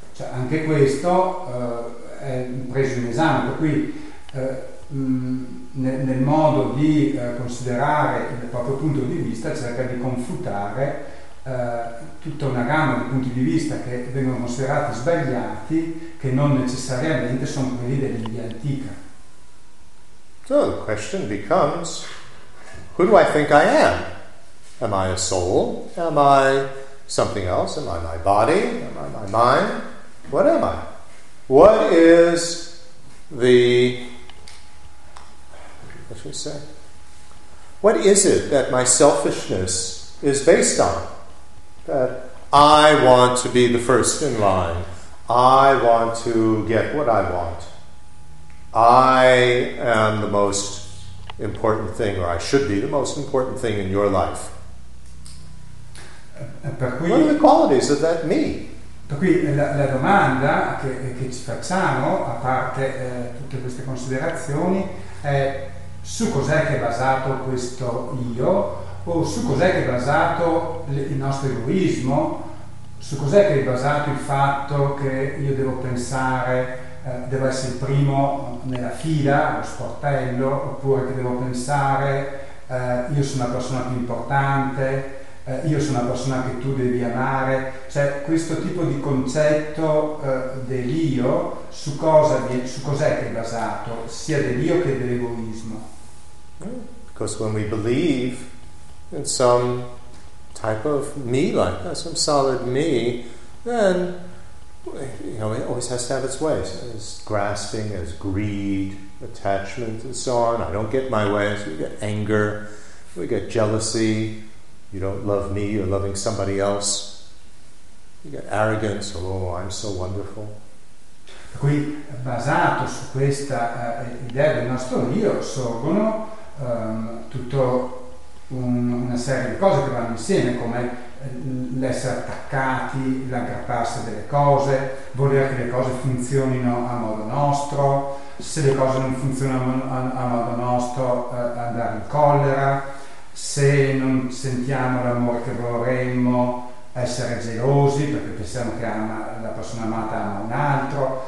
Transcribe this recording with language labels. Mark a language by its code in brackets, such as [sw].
[it] Cioè, anche questo è preso in esame, per cui nel modo di considerare il proprio punto di vista cerca di confutare tutta una gamma di punti di vista che vengono considerati sbagliati, che non necessariamente sono quelli dell'India antica. [en] So the question becomes, who do I think I am? Am I a soul? Am I something else? Am I my body? Am I my mind? What am I? What is the, what should I say? What is it that my selfishness is based on? That I want to be the first in line. I want to get what I want. I am the most important thing, or I should be the most important thing in your life. [it] Per cui, [en] what are the qualities of that me? [it] Per cui la domanda che ci facciamo, a parte tutte queste considerazioni, è su cos'è che è basato questo io, o su cos'è che è basato il nostro egoismo, su cos'è che è basato il fatto che io devo pensare, devo essere il primo nella fila, allo sportello, oppure che devo pensare, io sono la persona più importante, io sono la persona che tu devi amare. Cioè, questo tipo di concetto dell'io, su cos'è che è basato, sia dell'io che dell'egoismo? [en] Because when we believe in some type of me like that, some solid me, then, you know, it always has to have its way. So it's grasping, as greed, attachment, and so on. I don't get my way. So we get anger, we get jealousy. You don't love me, you're loving somebody else. You get arrogance, oh, I'm so wonderful. [it] Qui, basato su questa idea del nostro io, sorgono tutto una serie di cose che vanno insieme, come l'essere attaccati, l'aggrapparsi delle cose, voler che le cose funzionino a modo nostro, se le cose non funzionano a modo nostro, andare in collera, se non sentiamo l'amore che vorremmo, essere gelosi perché pensiamo che la persona amata ama un altro.